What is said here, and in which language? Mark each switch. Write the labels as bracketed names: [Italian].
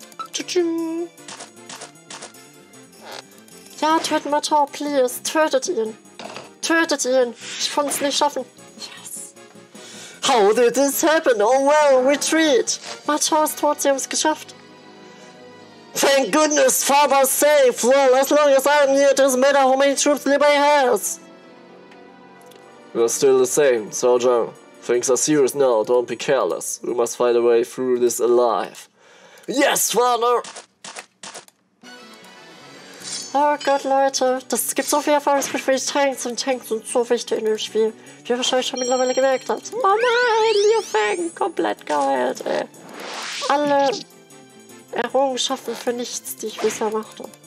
[German] Tschüss. Ja, töten wir Chao, please. Tötet ihn. Tötet ihn. Ich konnte es nicht schaffen. [English] Yes. How did this happen? Oh well, retreat. [German] Chao ist tot, sie haben es geschafft. [English] Thank goodness, Father's safe. Well, as long as I'm here, it doesn't matter how many troops anybody has. You're still the same, Cao Zhang. Things are serious now, don't be careless. We must find a way through this alive. Yes, Father! [German] Oh Gott, Leute, das gibt so viel Erfahrungspunkte für die Tanks und Tanks sind so wichtig in dem Spiel, wie ihr wahrscheinlich schon mittlerweile gemerkt habt. Oh nein, Liu Feng, komplett geheilt, ey. Alle Errungenschaften für nichts, die ich bisher machte.